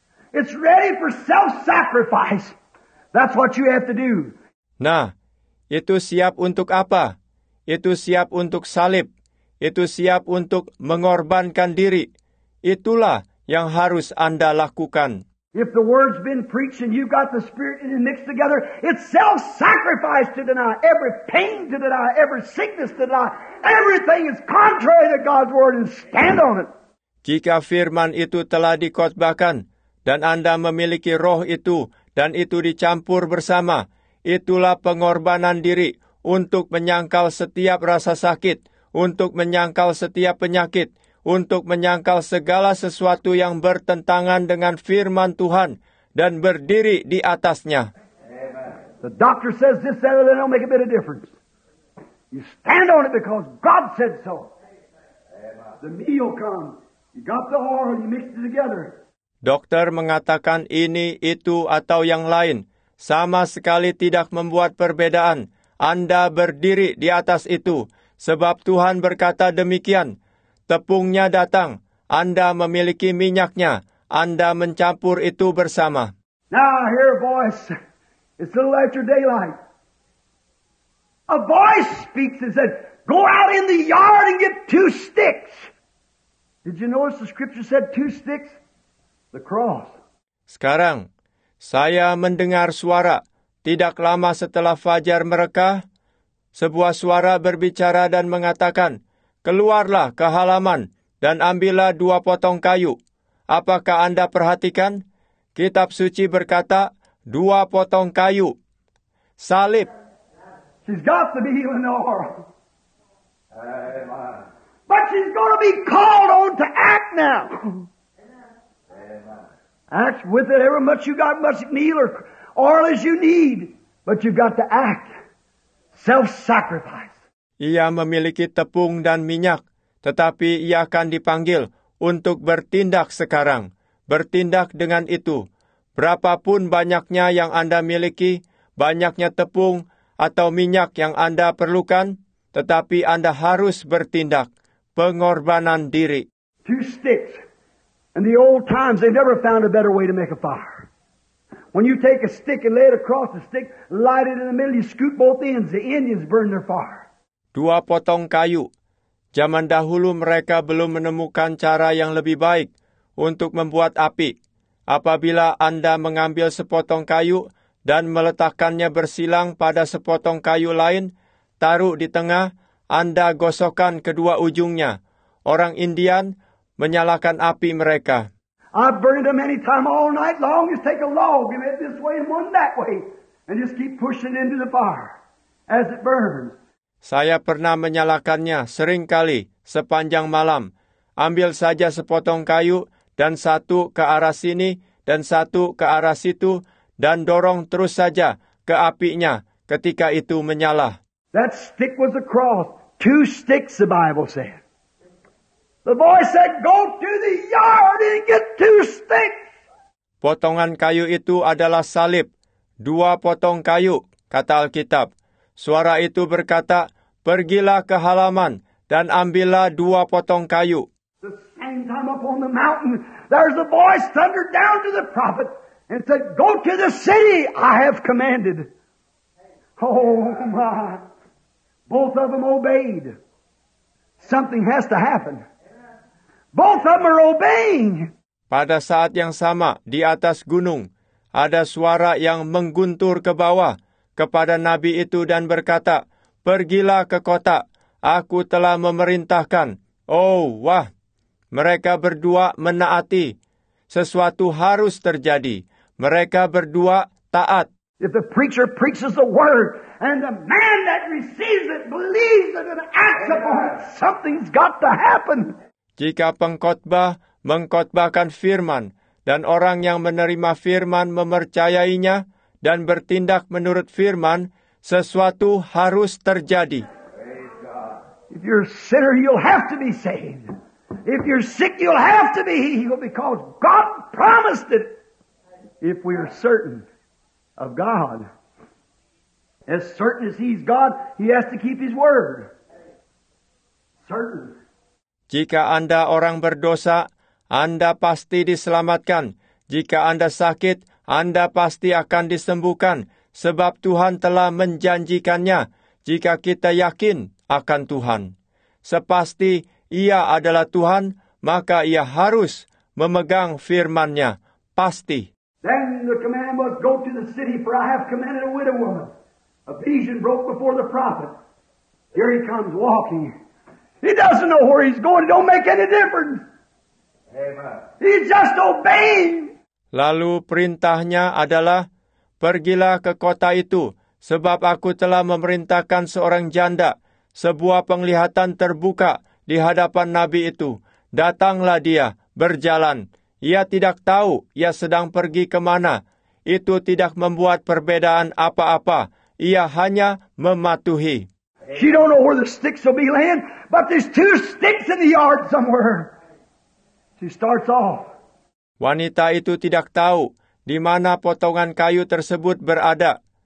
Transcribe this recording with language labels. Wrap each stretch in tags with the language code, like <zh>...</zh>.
<en>It's ready for self-sacrifice. That's what you have to do.</en> <id>Nah, itu siap untuk apa? Itu siap untuk salib. Itu siap untuk mengorbankan diri. Itulah yang harus Anda lakukan.</id> <en>If the word's been preached and you've got the spirit in it mixed together, it's self-sacrifice to deny every pain, to deny every sickness, to deny everything is contrary to God's word and stand on it.</en> <id>Jika firman itu telah dikhotbahkan dan Anda memiliki roh itu dan itu dicampur bersama, itulah pengorbanan diri untuk menyangkal setiap rasa sakit, untuk menyangkal setiap penyakit, untuk menyangkal segala sesuatu yang bertentangan dengan firman Tuhan dan berdiri di atasnya.</id> <en>The doctor says this, that, and it'll make a bit of difference. You stand on it because God said so. The meal comes. You got the oil, you mix it together.</en> <id>Dokter mengatakan ini, itu, atau yang lain. Sama sekali tidak membuat perbedaan. Anda berdiri di atas itu. Sebab Tuhan berkata demikian. Tepungnya datang, Anda memiliki minyaknya, Anda mencampur itu bersama.</id> <en>Now I hear a voice, it's a little after daylight. A voice speaks and said, go out in the yard and get two sticks. Did you notice the scripture said two sticks? The cross.</en> <id>Sekarang, Saya mendengar suara. Tidak lama setelah fajar mereka, sebuah suara berbicara dan mengatakan, "Keluarlah ke halaman dan ambillah 2 potong kayu. Apakah Anda perhatikan? Kitab suci berkata, 2 potong kayu. Salib.</id> <en>She's got to be healed in the world. But she's going to be called on to act now. Act with it, however much you got, much meal or oil as you need. But you've got to act. Self-sacrifice.</en> <id>Ia memiliki tepung dan minyak, tetapi ia akan dipanggil untuk bertindak sekarang. Bertindak dengan itu. Berapapun banyaknya yang Anda miliki, banyaknya tepung atau minyak yang Anda perlukan, tetapi Anda harus bertindak. Pengorbanan diri.</id> <en>2 sticks. In the old times, they never found a better way to make a fire. When you take a stick and lay it across the stick, light it in the middle, you scoop both ends, the Indians burn their fire.</en> <id>2 potong kayu. Zaman dahulu mereka belum menemukan cara yang lebih baik untuk membuat api. Apabila Anda mengambil 1 potong kayu dan meletakkannya bersilang pada 1 potong kayu lain, taruh di tengah, Anda gosokkan 2 ujungnya. Orang Indian menyalakan api mereka.</id> <en>I've burned them any time all night long. Just take a log and it this way and one that way. And just keep pushing into the fire as it burns.</en> <id>Saya pernah menyalakannya seringkali sepanjang malam. Ambil saja 1 potong kayu dan 1 ke arah sini dan 1 ke arah situ dan dorong terus saja ke apinya ketika itu menyala.</id> <en>That stick was a cross. 2 sticks, the Bible said. The boy said, go to the yard and get 2 sticks.</en> <id>Potongan kayu itu adalah salib. 2 potong kayu, kata Alkitab. Suara itu berkata, pergilah ke halaman dan ambillah 2 potong kayu.</id> <en>The same time up on the mountain, there's a voice thundered down to the prophet and said, go to the city I have commanded. Oh my. Both of them obeyed. Something has to happen. Both of them are obeying.</en> <id>Pada saat yang sama, di atas gunung, ada suara yang menggentur ke bawah kepada nabi itu dan berkata, pergilah ke kota, aku telah memerintahkan. Oh, wah, mereka berdua menaati. Sesuatu harus terjadi. Mereka berdua taat.</id> <en>If the preacher preaches the word, and the man that receives it believes it and acts upon it, something's got to happen.</en> <id>Jika pengkhotbah mengkhotbahkan firman, dan orang yang menerima firman memercayainya, dan bertindak menurut firman, sesuatu harus terjadi.</id> <en>If you're a sinner, you'll have to be saved. If you're sick, you'll have to be healed, because God promised it. If we are certain of God, as certain as He's God, He has to keep His word. Certain.</en> <id>Jika Anda orang berdosa, Anda pasti diselamatkan. Jika Anda sakit, Anda pasti akan disembuhkan, sebab Tuhan telah menjanjikannya. Jika kita yakin akan Tuhan, sepasti Ia adalah Tuhan, maka Ia harus memegang firman-Nya. Pasti.</id> <en>Then the command was, go to the city, for I have commanded a widow woman. A vision broke before the prophet. Here he comes walking. He doesn't know where he's going. It don't make any difference. Amen. He's just obeying.</en> <id>Lalu perintahnya adalah, pergilah ke kota itu, sebab aku telah memerintahkan seorang janda. Sebuah penglihatan terbuka di hadapan nabi itu. Datanglah dia, berjalan. Ia tidak tahu ia sedang pergi ke mana. Itu tidak membuat perbedaan apa-apa. Ia hanya mematuhi.</id> <en>She don't know where the sticks will be laying, but there's 2 sticks in the yard somewhere. She starts off.</en> <id>Wanita itu tidak tahu di mana potongan kayu tersebut berada.</id>